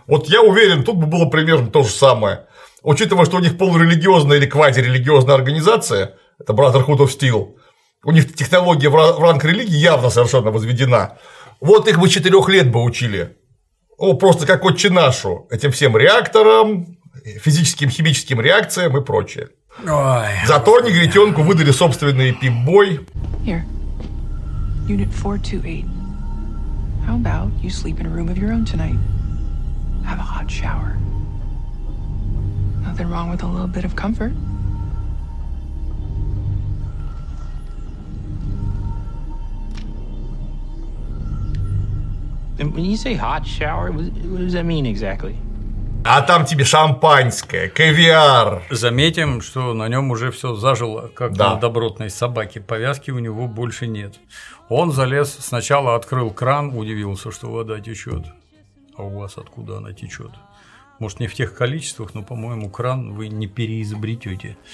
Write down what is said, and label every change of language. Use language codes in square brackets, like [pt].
[ru] Вот я уверен, тут бы было примерно то же самое. Учитывая, что у них полурелигиозная или квазирелигиозная организация, это Brotherhood of Steel, у них технология в ранг религии явно совершенно возведена. Вот их бы 4 лет бы учили, ну, просто как отче нашу, этим всем реакторам, физическим, химическим реакциям и прочее. Ой, зато негритёнку выдали собственный пип-бой. [en] Here. Unit 428. How about you sleep in a room of your own tonight? Have a hot shower. Nothing wrong with a little bit of comfort. And when you say hot shower, what does that mean exactly? [ru] А там тебе шампанское, кавиар. Заметим, что на нем уже все зажило, как да. на добротной собаке. Повязки у него больше нет. Он залез, сначала открыл кран, удивился, что вода течет. А у вас откуда она течет? Может, не в тех количествах, но, по-моему, кран вы не переизобретете.